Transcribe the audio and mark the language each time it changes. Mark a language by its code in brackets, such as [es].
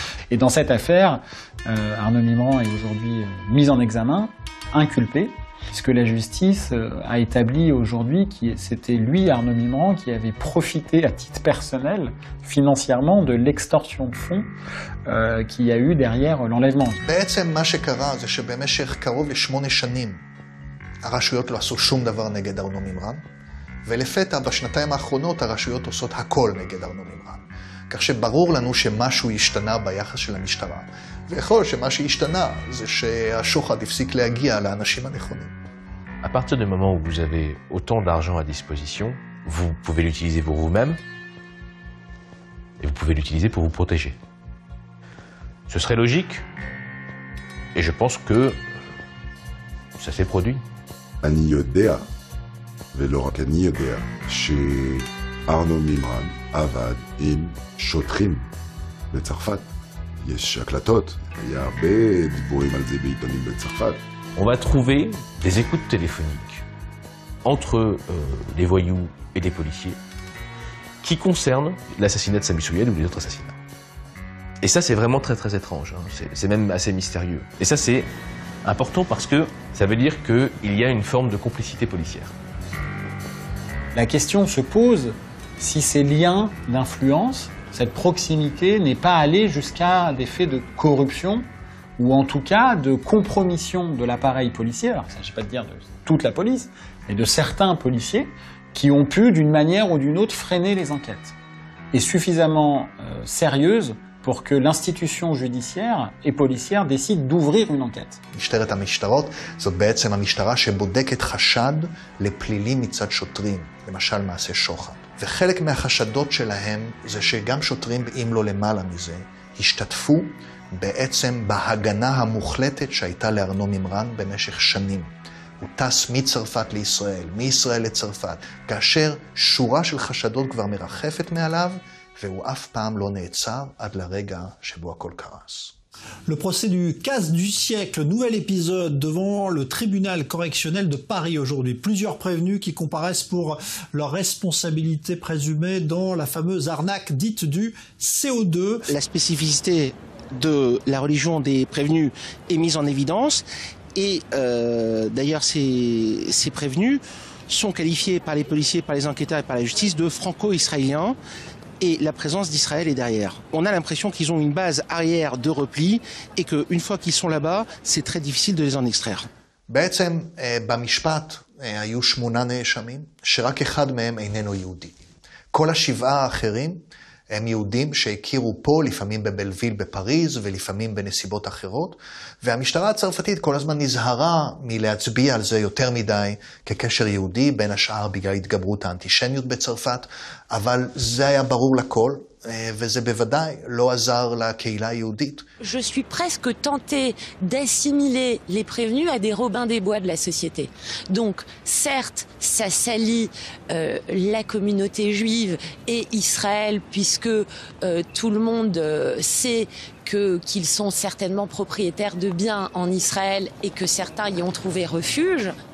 [fr] Et dans cette affaire, Arnaud Mimran est aujourd'hui mis en examen, inculpé, puisque la justice a établi aujourd'hui que c'était lui, Arnaud Mimran, qui avait profité à titre personnel, financièrement, de l'extorsion de fonds qu'il y a eu derrière l'enlèvement. [he] בעצם מה שקרה זה שבמשך קרוב לשמונה שנים הרשויות לא עשו שום דבר נגד ארנו מימרן, ולפתע בשנתיים האחרונות הרשויות עושות הכל נגד ארנו מימרן. כך שברור לנו שמשהו השתנה ביחס של המשטרה. ויכול שמה שהשתנה זה שהשוחד הפסיק להגיע לאנשים הנכונים. [fr] À partir du moment où vous avez autant d'argent à disposition, vous pouvez l'utiliser pour vous-même et vous pouvez l'utiliser pour vous protéger. Ce serait logique et je pense que ça s'est produit. [he] אני יודע ולא רק אני יודע שארנו מימרן עבד עם שוטרים בצרפת. יש הקלטות, היה הרבה דיבורים על זה בעיתונים בצרפת. [fr] On va trouver des écoutes téléphoniques entre les voyous et les policiers qui concernent l'assassinat de Sami Souyed ou les autres assassinats. Et ça, c'est vraiment très très étrange, hein. C'est même assez mystérieux. Et ça, c'est important parce que ça veut dire qu'il y a une forme de complicité policière. La question se pose si ces liens d'influence, cette proximité, n'est pas allée jusqu'à des faits de corruption ou en tout cas de compromission de l'appareil policier, alors il ne s'agit pas de dire de toute la police, mais de certains policiers qui ont pu, d'une manière ou d'une autre, freiner les enquêtes. Et suffisamment sérieuse pour que l'institution judiciaire et policière décide d'ouvrir une enquête. [he] משטרת המשטרות, זאת בעצם המשטרה שבודקת חשד לפלילי מצד שוטרים, למשל מעשה שוחד. וחלק מהחשדות שלהם זה שגם שוטרים, אם לא למעלה מזה, השתתפו בעצם בהגנה המוחלטת שהייתה לארנו מימרן במשך שנים. הוא טס מצרפת לישראל, מישראל לצרפת, כאשר שורה של חשדות כבר מרחפת מעליו, והוא אף פעם לא נעצר עד לרגע שבו הכל קרס. [fr] Le procès du casse du siècle, nouvel épisode devant le tribunal correctionnel de Paris aujourd'hui. Plusieurs prévenus qui comparaissent pour leur responsabilité présumée dans la fameuse arnaque dite du CO2. La spécificité de la religion des prévenus est mise en évidence. Et d'ailleurs, ces prévenus sont qualifiés par les policiers, par les enquêteurs et par la justice de franco-israéliens. Et la présence d'Israël est derrière. On a l'impression qu'ils ont une base arrière de repli et qu'une fois qu'ils sont là-bas, c'est très difficile de les en extraire. [he] בעצם במשפט היו שמונה נאשמים שרק אחד מהם איננו יהודי. כל השבעה האחרים הם יהודים שהכירו פה לפעמים בבלוויל בפריז ולפעמים בנסיבות אחרות, והמשטרה הצרפתית כל הזמן נזהרה מלהצביע על זה יותר מדי כקשר יהודי, בין השאר בגלל התגברות האנטישמיות בצרפת, אבל זה היה ברור לכל, וזה בוודאי לא עזר לקהילה היהודית. [fr] Je suis presque tentée d'assimiler les prévenus à des robins des bois de la société. Donc, certes, ça salit la communauté juive et Israël, puisque tout le monde sait qu'ils sont certainement propriétaires de biens en Israël et que certains y ont trouvé refuge.